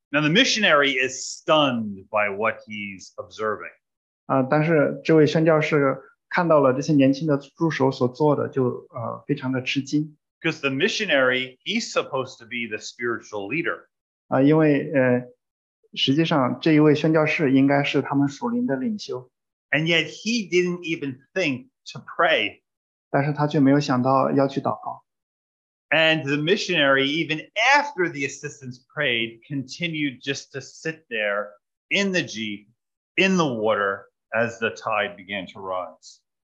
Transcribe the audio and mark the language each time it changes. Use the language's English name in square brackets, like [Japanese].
[English] Now the missionary is stunned by what he's observing. [Chinese] 但是这位宣教士看到了这些年轻的助手所做的，就非常的吃惊。 [English] Because the missionary, he's supposed to be the spiritual leader. [Chinese] 因为实际上这一位宣教士应该是他们属灵的领袖。 [English] And yet he didn't even think to pray. [Chinese] 但是他却没有想到要去祷告。 [English] And the missionary, even after the assistants prayed, continued just to sit there in the jeep, in the water, as the tide began to rise.